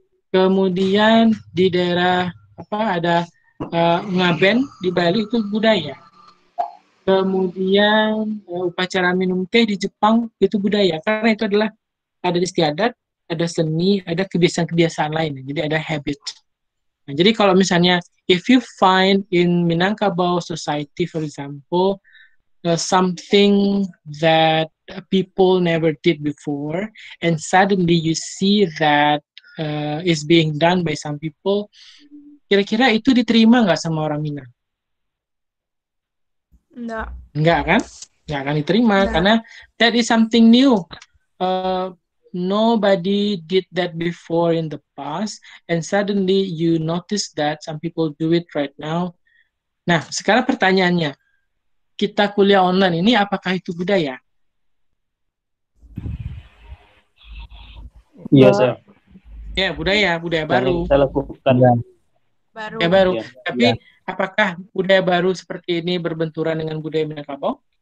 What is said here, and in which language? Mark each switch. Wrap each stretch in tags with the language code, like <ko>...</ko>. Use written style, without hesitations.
<id>Kemudian di daerah Ngaben di Bali, itu budaya. Kemudian upacara minum teh di Jepang itu budaya, karena itu adalah ada istiadat, ada seni, ada kebiasaan-kebiasaan lain, jadi ada habit. Nah, jadi kalau misalnya</id> <en>if you find in Minangkabau society for example something that people never did before and suddenly you see that is being done by some people,</en> <id>kira-kira itu diterima nggak sama orang Minang? Enggak akan diterima. Nggak.</id> <en>Karena that is something new, nobody did that before in the past and suddenly you notice that some people do it right now.</en> <id>Nah, sekarang pertanyaannya, kita kuliah online ini apakah itu budaya? Iya, sir. Ya, budaya baru. Saya lakukan. Baru. Ya. Tapi ya. Apakah budaya baru seperti ini berbenturan dengan budaya Minangkabau?</id>